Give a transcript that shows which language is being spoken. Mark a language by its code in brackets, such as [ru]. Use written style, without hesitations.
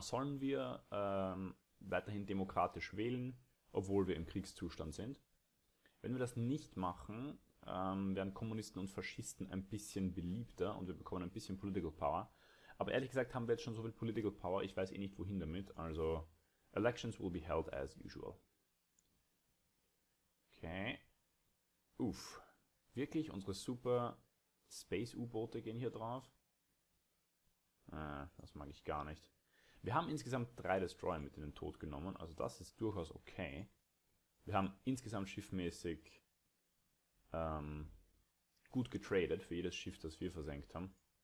[de] Sollen wir weiterhin demokratisch wählen, obwohl wir im Kriegszustand sind? Wenn wir das nicht machen, werden Kommunisten und Faschisten ein bisschen beliebter und wir bekommen ein bisschen Political Power. Aber ehrlich gesagt haben wir jetzt schon so viel Political Power, ich weiß eh nicht wohin damit. Also, [en] Elections will be held as usual. Okay. Uff. [de] Wirklich, unsere super Space-U-Boote gehen hier drauf. Das mag ich gar nicht. Wir haben insgesamt 3 Destroyer mit in den Tod genommen, also das ist durchaus okay. Wir haben insgesamt schiffmäßig gut getradet für jedes Schiff, das wir versenkt haben.